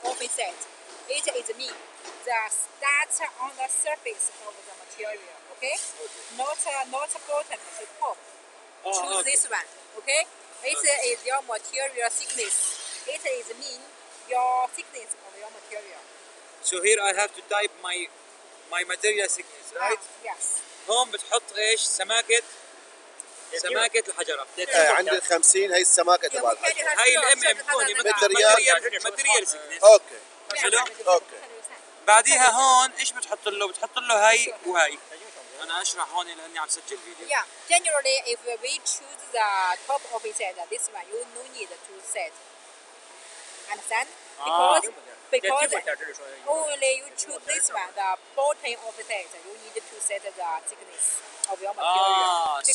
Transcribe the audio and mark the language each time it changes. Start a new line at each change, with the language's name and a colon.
English: The start on the surface of the material, okay? Not bottom, the top. This one, okay? It is your material thickness. It is mean your thickness of your material. So here I have to type my material thickness, right? Yes.
Arabic: هون بتحط ايش سماكت سماكة الحجرة. عند الخمسين هي السماكة تبع الحجرة. هاي الام ام هوني
English: material thickness.
Arabic: اوكي. حلو؟ اوكي. بعديها هون ايش بتحط له؟ بتحط له هاي وهاي. انا اشرح هون لاني عم سجل فيديو.
English: Yeah, generally if we choose the top of his head, this one you no need to set. Understand? Because only you choose this one, the bottom of his head, you need to set the thickness of your material.